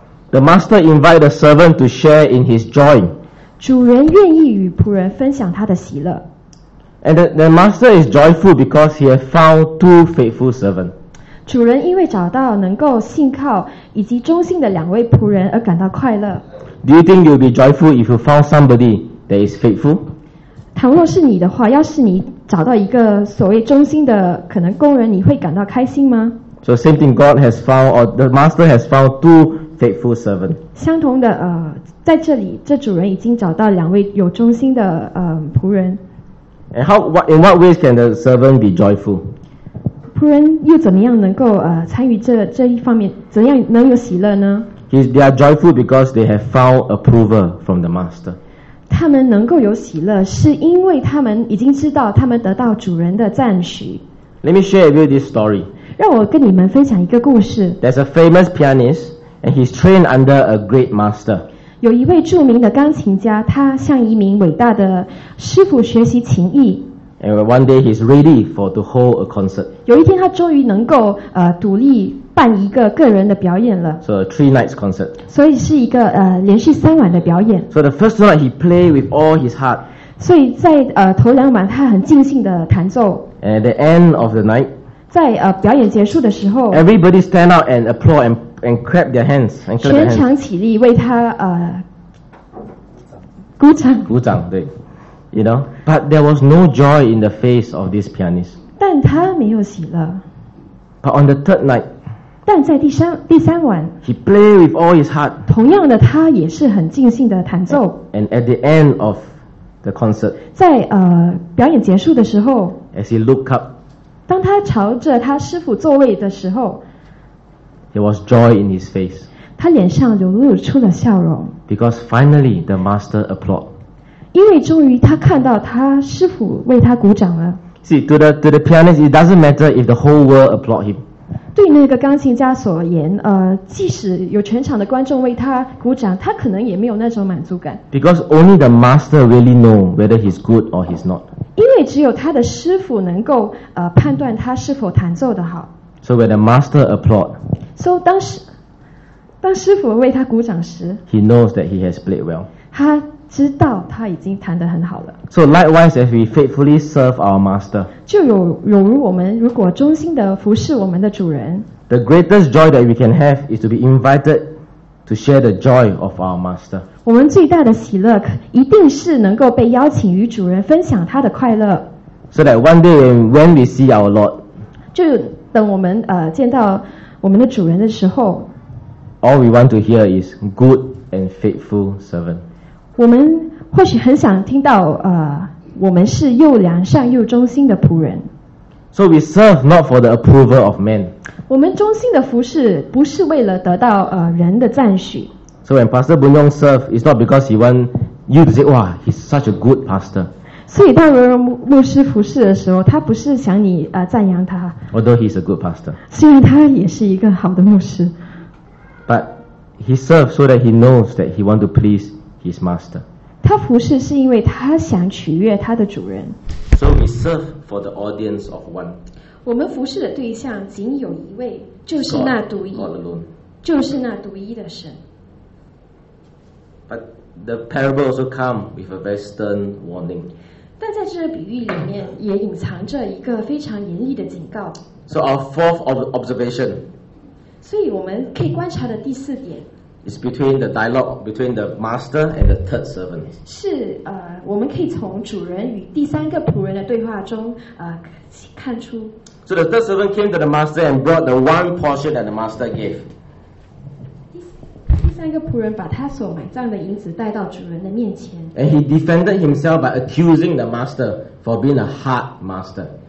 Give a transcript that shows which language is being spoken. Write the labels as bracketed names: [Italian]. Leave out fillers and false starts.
[English] The master invites the servant to share in his joy. [Chinese] 主人愿意与仆人分享他的喜乐。 [English] And the master is joyful because he has found two faithful servants. [Chinese] 主人因为找到能够信靠以及忠心的两位仆人而感到快乐。 [English] Do you think you'll be joyful if you found somebody that is faithful? [Chinese] 倘若是你的话，要是你找到一个所谓忠心的可能工人，你会感到开心吗？ [English] So same thing, God has found, or the master has found two faithful servants. [Chinese] 相同的，在这里，这主人已经找到两位有忠心的仆人。 [English] And in what ways can the servant be joyful? [Chinese] 仆人又怎么样能够参与这一方面，怎样能有喜乐呢？ [English] They are joyful because they have found approval from the master. [Chinese] 他们能够有喜乐，是因为他们已经知道他们得到主人的赞许。 [English] Let me share with you this story. [Chinese] 让我跟你们分享一个故事。 [English] There's a famous pianist, and he's trained under a great master. [Chinese] 有一位著名的钢琴家，他向一名伟大的师傅学习琴艺。 [English] And one day he's ready to hold a concert. [Chinese] 有一天，他终于能够独立。办一个个人的表演了 [English] ，so a three nights concert， [Chinese] 所以是一个连续三晚的表演。 [English] So the first night he played with all his heart， [Chinese] 所以在头两晚他很尽兴的弹奏。 [English] At the end of the night， [Chinese] 在表演结束的时候 [English] ，everybody stand up and applaud and clap their hands， [Chinese] 全场起立为他鼓掌。鼓掌，对 [English] ，you know， but there was no joy in the face of this pianist， [Chinese] 但他没有喜乐。 [English] But on the third night。 [Chinese] 但在第三晚 [English] ，He played with all his heart。 [Chinese] 同样的，他也是很尽兴的弹奏。 [English] And at the end of the concert， [Chinese] 在表演结束的时候 [English] ，As he looked up， [Chinese] 当他朝着他师父座位的时候 [English] ，There was joy in his face。 [Chinese] 他脸上流露出了笑容。 [English] Because finally the master applaud。 [Chinese] 因为终于他看到他师父为他鼓掌了。 [English] See to the pianist, it doesn't matter if the whole world applaud him。 [Chinese] 对那个钢琴家所言，即使有全场的观众为他鼓掌，他可能也没有那种满足感。 [English] Because only the master really know whether he's good or he's not. [Chinese] 因为只有他的师傅能够判断他是否弹奏的好。 [English] So when the master applaud. [Chinese] So 当师傅为他鼓掌时， [English] he knows that he has played well. [Chinese] 他知道他已经弹得很好了。 [English] So likewise, if we faithfully serve our master, [Chinese] 就有如我们如果忠心的服侍我们的主人， [English] the greatest joy that we can have is to be invited to share the joy of our master. [Chinese] 我们最大的喜乐一定是能够被邀请与主人分享他的快乐。 [English] So that one day when we see our Lord, [Chinese] 就等我们见到我们的主人的时候， [English] all we want to hear is good and faithful servant. [Chinese] 我们或许很想听到我们是又良善又忠心的仆人。 [English] So we serve not for the approval of men. [Chinese] 我们忠心的服侍不是为了得到人的赞许。 [English] So when Pastor Boon Yong serve, it's not because he want you to say, wow, he's such a good pastor. [Chinese] 所以当人牧师服侍的时候，他不是想你赞扬他。 [English] Although he's a good pastor. [Chinese] 虽然他也是一个好的牧师。 [English] But he serves so that he knows that he want to please His master. [Chinese] 他服侍是因为他想取悦他的主人。 [English] So we serve for the audience of one. [Chinese] 我们服侍的对象仅有一位，就是那独一， [English] God alone. [Chinese] 就是那独一的神。 [English] But the parable also come with a very stern warning. [Chinese] 但在这比喻里面也隐藏着一个非常严厉的警告。 [English] So our fourth observation. [Chinese] 所以我们可以观察的第四点。 [English] It's between the dialogue between the master and the third servant. [Chinese] 是我们可以从主人与第三个仆人的对话中看出。 [English] So the third servant came to the master and brought the one portion that the master gave. [Chinese] 第三个仆人把他所买账的银子带到主人的面前。 [English] And he defended himself by accusing the master for being a hard master.